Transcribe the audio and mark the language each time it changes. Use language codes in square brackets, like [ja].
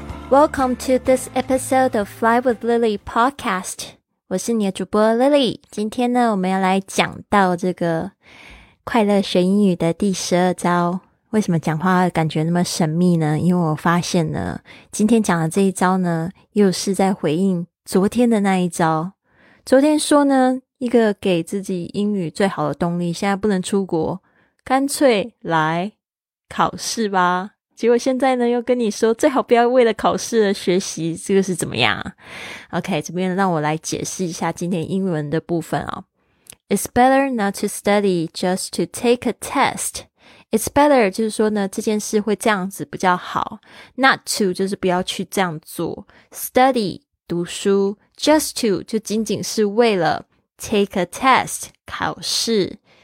[en] Welcome to this episode of Fly with Lily podcast. [zh] 我是你的主播 Lily. 今天呢，我们要来讲到这个快乐学英语的第十二招。为什么讲话感觉那么神秘呢？因为我发现呢，今天讲的这一招呢，又是在回应昨天的那一招。昨天说呢，一个给自己英语最好的动力，现在不能出国，干脆来考试吧。结果现在呢，又跟你说最好不要为了考试而学习，这个是怎么样啊？ OK， 这边让我来解释一下今天英文的部分哦。 [en] It's better not to study just to take a test. [zh] It's better 就是说呢，这件事会这样子比较好。 Not to 就是不要去这样做。Study 读书 ，just to 就仅仅是为了 take a test 考试。